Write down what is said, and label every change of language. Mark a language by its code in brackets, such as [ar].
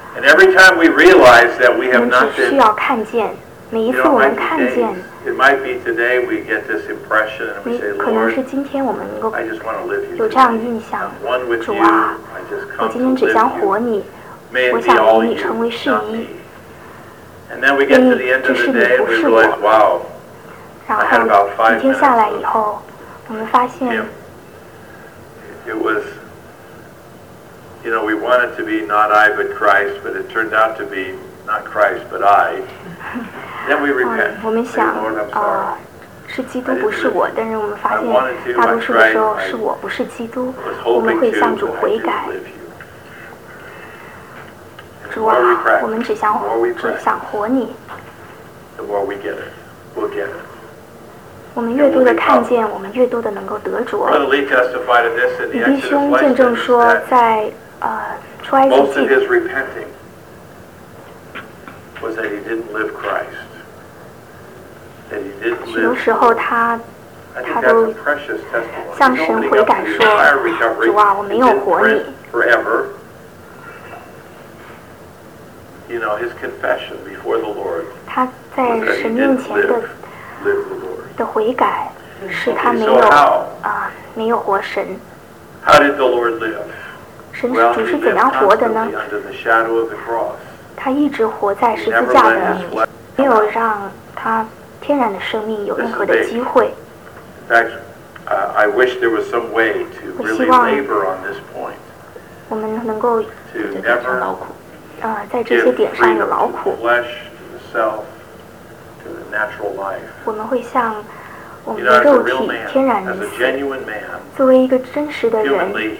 [en] And every time we realize that we have not been. [zh] 只需要看见每一次我们看见。 [en] It might be today we get this impression and we say, Lord, [zh] 可能是今天我们能够 [en] I just want to live you. [zh] 有这样印象。 [en] I'm one with you. [zh] 主啊， [en] I just come [zh] 我今天只想活你。我想与你成为是一， [en] and then we get to the end of the day, we realize, wow, I had about 5 minutes. [zh] 下来以后，我们发现 [en] it was, you know, we wanted to be not I but Christ, but it turned out to be not Christ but I. Then we repent. [zh] 我们想啊，是基督不是我，但是我们发现大多数的时候是我不是基督，我们会向主悔改。主啊，我们只想活你。 [en] The more we get it, we'll get it. [zh] 我们越多的看见，我们越多的能够得着。 [en] Brother Lee testified to this in the Exodus. [zh] 李弟兄见证说，在出埃及记。 [en] Most of his repenting was that he didn't live Christ. That he didn't live. [zh] 许多时候他都向神悔改说：“主啊，我没有活你。” [en] Forever. You know, his confession before the Lord was that he didn't live the Lord. Okay, so how did the Lord live? Well, he lived constantly under the shadow of the cross. He never let his life go. He never let his life go. This is big. In fact, I wish there was some way to really labor on this point. To never... [zh] 在这些点上有劳苦 [en] flesh, to the self, to the natural life. [zh] 我们会向我们的肉体天然于此作为一个真实的人